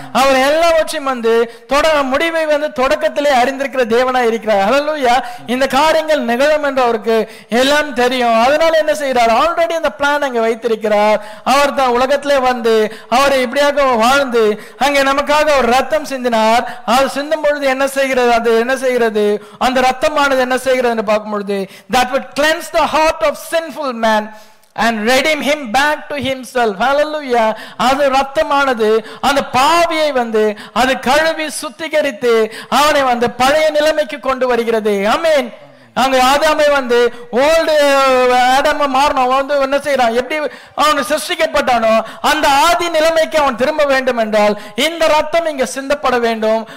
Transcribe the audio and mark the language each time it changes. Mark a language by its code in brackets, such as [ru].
[ta] அவர் எல்லாவற்றையும் வந்து முடிவை வந்து தொடக்கத்திலே அறிந்திருக்கிற தேவனாய் இருக்கிறார். Hallelujah. இந்த காரியங்கள் நிகழும் என்று அவருக்கு எல்லாம் தெரியும். அதனால என்ன செய்கிறார்? ஆல்ரெடி அந்த பிளான் அங்கே வைத்திருக்கிறார். அவர் தான் உலகத்திலே வந்து அவர் இப்படியாக வாழ்ந்து அங்கே நமக்காக அவர் ரத்தம் சிந்தினார். அது சிந்தும் பொழுது என்ன செய்கிறது? அது என்ன செய்கிறது? அந்த ரத்தமானது என்ன செய்கிறது? பார்க்கும் பொழுது [en] that would cleanse the heart of sinful man and redeem him back to himself. Hallelujah. [ta] அது ரத்தமானது அந்த பாவியை வந்து அது கழுவி சுத்திகரித்து அவனை வந்து பழைய நிலைமைக்கு கொண்டு வருகிறது. ஆமென். அங்க ஆதாமை வந்து ஓல்டு ஆடாம மாறணும் வந்து என்ன செய்யறான்? எப்படி அவன் சிருஷ்டிக்கப்பட்டானோ அந்த ஆதி நிலைமைக்கு அவன் திரும்ப வேண்டும் என்றால் இந்த ரத்தம் இங்க சிந்தப்பட வேண்டும்.